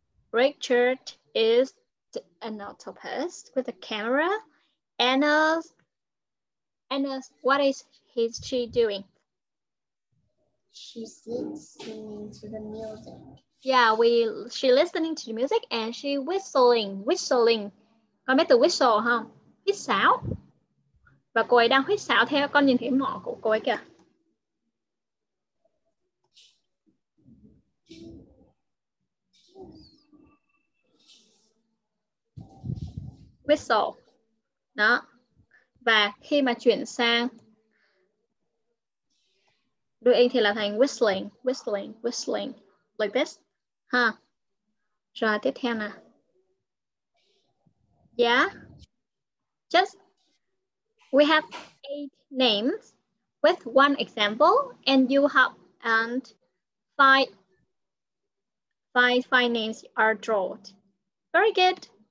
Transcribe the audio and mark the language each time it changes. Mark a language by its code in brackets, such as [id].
[en] Richard is an octopus with a camera. Anna's, what is she doing? She's listening to the music. Yeah, she's listening to the music and she whistling. [vi] Con biết từ whistle không? Huýt sáo. Và cô ấy đang huýt sáo theo con nhìn thấy mỏ của cô ấy kìa. Whistle. Đó. Và khi mà chuyển sang doing thì là thành whistling, [en] like this, huh? [vi] Rồi tiếp theo nè. [en] Yeah, just we have 8 names with 1 example, and you have and 5 names are drawn. Very good.